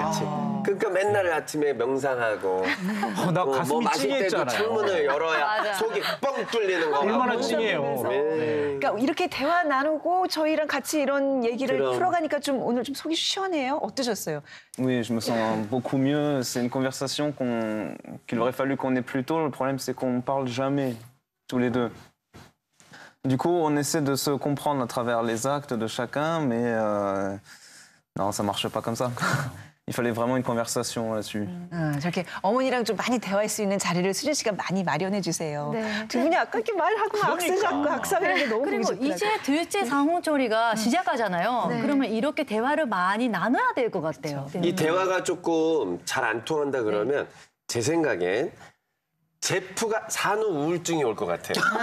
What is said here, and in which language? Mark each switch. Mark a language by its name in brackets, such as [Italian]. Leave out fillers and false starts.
[Korean] 그렇지. 그러니까 맨날 아침에 명상하고 나 가슴이 찡했잖아요. 뭐 창문을 열어야 속이 뻥 뚫리는 거 얼마나 찡해요. 그러니까 이렇게 대화 나누고 저희랑 같이 이런 얘기를 그럼. 풀어가니까 좀 오늘 좀 속이 시원해요? 어떠셨어요? [French] Oui, je me sens beaucoup mieux. C'est une conversation qu'il aurait fallu qu'on ait plus tôt. Le problème, c'est qu'on parle jamais tous les deux. Du coup, on essaie de se comprendre à travers les actes de chacun, mais non, ça marche pas comme ça. Il fallait vraiment une conversation là-dessus. [Korean] 저렇게 어머니랑 좀 많이 대화할 수 있는 자리를 수진 씨가 많이 마련해 주세요. 네. 두 분이 아까 이렇게 말하고 악수하고 악수하는 게 너무 그리고 보기 좋더라고요. 이제 둘째 상호조리가 시작하잖아요. 네. 그러면 이렇게 대화를 많이 나눠야 될 것 같아요. 그렇죠. 이 대화가 조금 잘 안 통한다 그러면 네. 제 생각엔 제프가 산후 우울증이 올 것 같아요.